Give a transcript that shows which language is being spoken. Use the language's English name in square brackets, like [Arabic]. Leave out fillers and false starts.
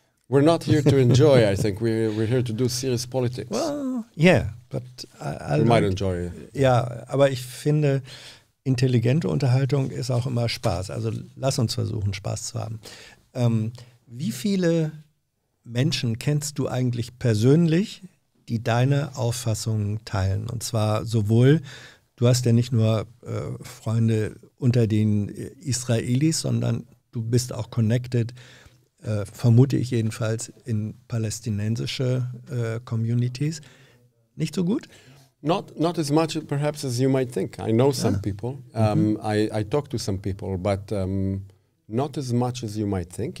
[English] We're not here to enjoy, I think. We're here to do serious politics. Well, Yeah, but we might enjoy it. [German] Ja, aber ich finde, intelligente Unterhaltung ist auch immer Spaß. Also lass uns versuchen, Spaß zu haben. Wie viele Menschen kennst du eigentlich persönlich, die deine Auffassungen teilen? Und zwar sowohl, du hast ja nicht nur Freunde unter den Israelis, sondern du bist auch connected, vermute ich jedenfalls, in palästinensische Communities. Nicht so gut? [English] Not as much perhaps as you might think. I know some people. I talk to some people, but not as much as you might think.